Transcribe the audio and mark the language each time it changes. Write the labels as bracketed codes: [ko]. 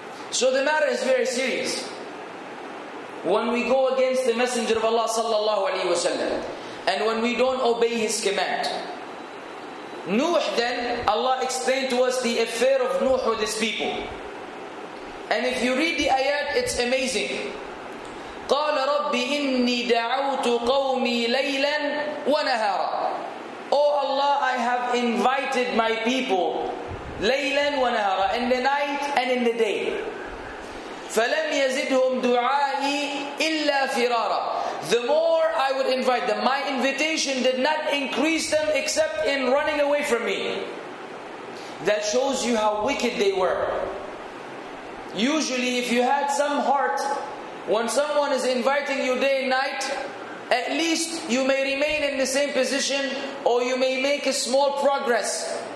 [en] So the matter is very serious. When we go against the Messenger of Allah sallallahu alaihi wasallam, and when we don't obey his command. Nuh then, Allah explained to us the affair of Nuh with his people. And if you read the ayat, it's amazing. [ar] قال ربي إني دعوت قومي ليلا ونهارا. [en] Oh Allah, I have invited my people [ar] ليلا ونهارا, [en] in the night and in the day. [ar] فلم يزدهم دعائي إلا فرارا. [en] The more I would invite them, my invitation did not increase them except in running away from me. That shows you how wicked they were. Usually, if you had some heart, when someone is inviting you day and night, at least you may remain in the same position, or you may make a small progress.